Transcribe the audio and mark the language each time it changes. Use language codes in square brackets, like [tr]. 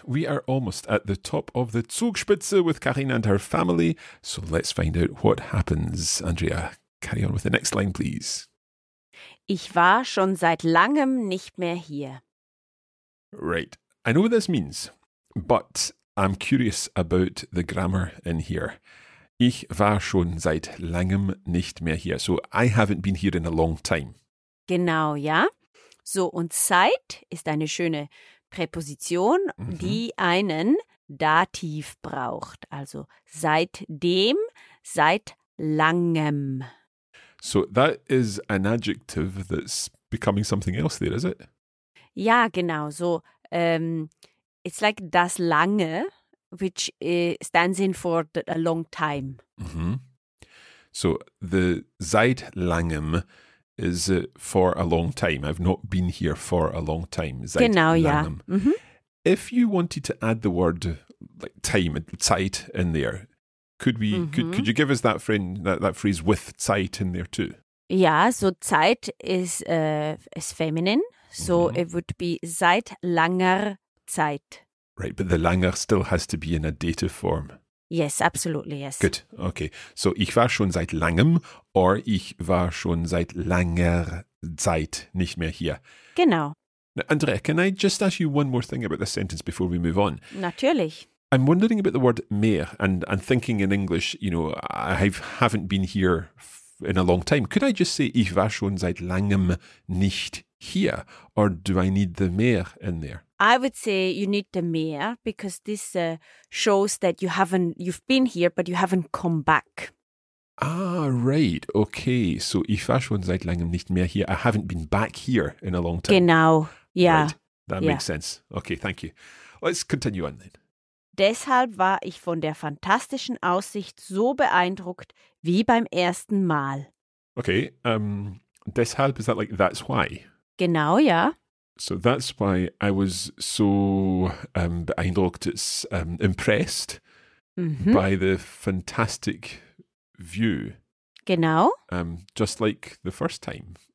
[en] We are almost at the top of the Zugspitze with Karina and her family. So let's find out what happens. Andrea, carry on with the next line, please. [de] Ich war schon seit langem nicht mehr hier. [en] Right. I know what this means, but I'm curious about the grammar in here. [de] Ich war schon seit langem nicht mehr hier. [en] So I haven't been here in a long time. [de] Genau, ja. So, und Zeit ist eine schöne Präposition, die einen Dativ braucht. Also seitdem, seit langem. [en] So that is an adjective that's becoming something else there, is it? [de] Ja, genau. [en] So it's like das lange, which stands in for a long time. Mm-hmm. So the seit langem is for a long time. I've not been here for a long time. [de] Seit genau, langem. Ja. Mm-hmm. [en] If you wanted to add the word like time, Zeit in there, could we? Mm-hmm. Could you give us that friend that phrase with Zeit in there too? Ja, so Zeit is feminine, so it would be [de] seit langer Zeit. [en] Right, but the langer still has to be in a dative form. Yes, absolutely, yes. Good, okay. [de] So, ich war schon seit langem or ich war schon seit langer Zeit nicht mehr hier. Genau. [en] Now, Andrea, can I just ask you one more thing about this sentence before we move on? [de] Natürlich. [en] I'm wondering about the word mehr and thinking in English, you know, I haven't been here in a long time. Could I just say, [de] ich war schon seit langem nicht hier [en] or do I need the mehr in there? I would say you need the mehr because this shows that you've been here, but you haven't come back. Ah, right. Okay. [de] So, ich war schon seit langem nicht mehr hier. [en] I haven't been back here in a long time. [de] Genau. Yeah. [en] Right. That makes sense. Okay. Thank you. Let's continue on then. [de] Deshalb war ich von der fantastischen Aussicht so beeindruckt wie beim ersten Mal. [en] Okay. Deshalb, is that like, that's why? [de] Genau, ja. [en] So that's why I was so beeindruckt, impressed by the fantastic view. [de] Genau. [en] Just like the first time.